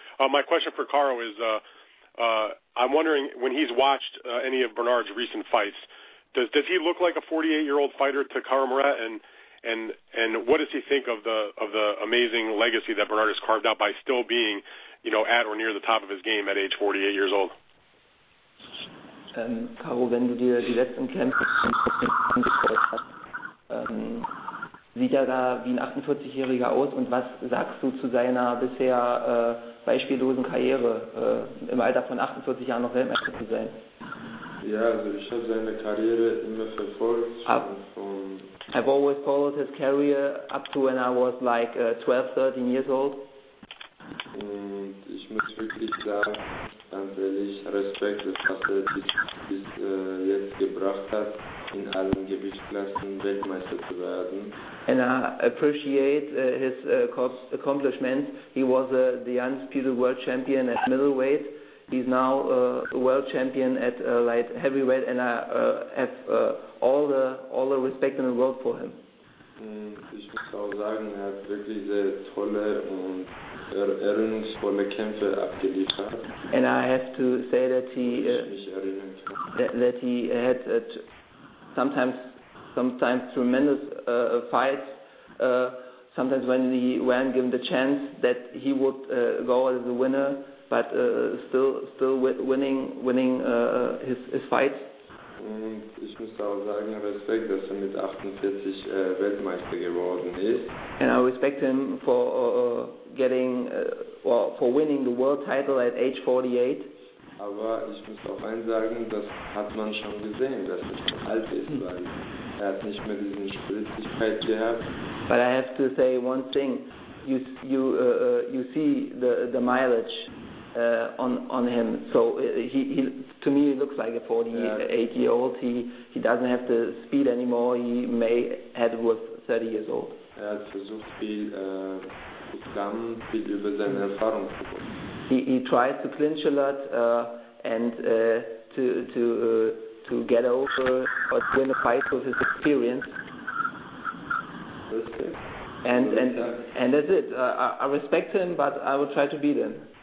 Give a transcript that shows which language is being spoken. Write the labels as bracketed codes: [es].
[en] My question for Caro is I'm wondering, when he's watched any of Bernard's recent fights, does he look like a 48-year-old fighter to Caro Moret, and what does he think of the amazing legacy that Bernard has carved out by still being, you know, at or near the top of his game at age 48 years old? [de] Caro, wenn du dir die letzten Kämpfe angeschaut hast, sieht er da wie ein 48-Jähriger aus, und was sagst du zu seiner bisher beispiellosen Karriere, im Alter von 48 Jahren noch Weltmeister zu sein? Ja, also ich habe seine Karriere immer verfolgt. [en] I've always followed his career up to when I was like 12, 13 years old. [de] Und ich muss wirklich sagen, ganz ehrlich, Respekt, was er bis jetzt gebracht hat, in allen Gewichtsklassen Weltmeister zu werden. [en] And I appreciate his accomplishments. He was the undisputed world champion at middleweight. He's now a world champion at light heavyweight, and I have all the respect in the world for him. [de] Ich muss auch sagen, er hat wirklich sehr tolle und erinnerungsvolle Kämpfe abgeliefert. [en] And I have to say that he had sometimes tremendous fights. Sometimes when he weren't given the chance, that he would go as a winner, but still winning his fights. [de] Und ich muss auch sagen, Respekt, dass er mit 48 Weltmeister geworden ist. [en] And I respect him for for winning the world title at age 48. [de] Aber ich muss auch eins sagen, das hat man schon gesehen, dass er schon alt ist, weil er hat nicht mehr diese Spritzigkeit gehabt. [en] But I have to say one thing. You see the mileage on him. So he to me, he looks like a 48-year-old. He doesn't have the speed anymore. He may had with 30 years old. [de] Er hat versucht, viel zu sammeln, viel über seine Erfahrung zu bekommen. [en] He tries to clinch a lot and to get over or to win a fight with his experience. And that's it. I respect him, but I will try to beat him.